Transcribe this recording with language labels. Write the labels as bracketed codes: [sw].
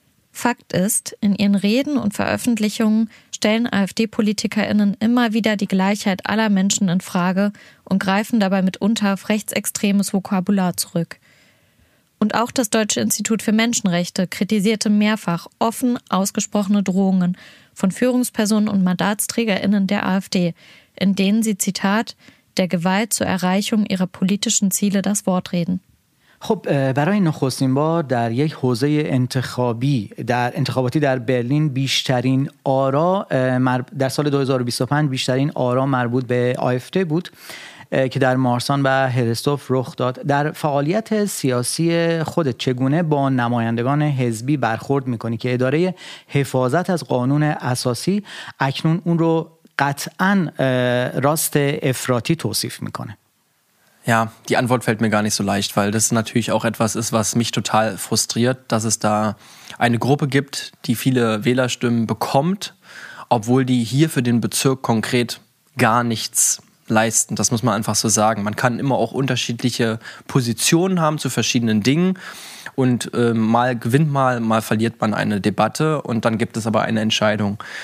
[de] Fakt ist, in ihren Reden und Veröffentlichungen stellen AfD-PolitikerInnen immer wieder die Gleichheit aller Menschen in Frage und greifen dabei mitunter auf rechtsextremes Vokabular zurück. Und auch das Deutsche Institut für Menschenrechte kritisierte mehrfach offen ausgesprochene Drohungen von Führungspersonen und MandatsträgerInnen der AfD, in denen sie, Zitat, der Gewalt zur Erreichung ihrer politischen Ziele das Wort reden. [fa] خب برای نخستین بار در یک حوزه انتخابی در انتخاباتی در برلین بیشترین آرا در سال 2025 بیشترین آرا مربوط به AfD بود که در مارسان و هلستوف رخ داد. در فعالیت سیاسی خودت چگونه با نمایندگان حزبی برخورد میکنی که اداره حفاظت از قانون اساسی اکنون اون رو قطعا راست افراطی توصیف میکنه؟ [de] Ja, die Antwort fällt mir gar nicht so leicht, weil das natürlich auch etwas ist, was mich total frustriert, dass es da eine Gruppe gibt, die viele Wählerstimmen bekommt, obwohl die hier für den Bezirk konkret gar nichts leisten. Das muss man einfach so sagen. Man kann immer auch unterschiedliche Positionen haben zu verschiedenen Dingen und mal gewinnt man, mal verliert man eine Debatte und dann gibt es aber eine Entscheidung.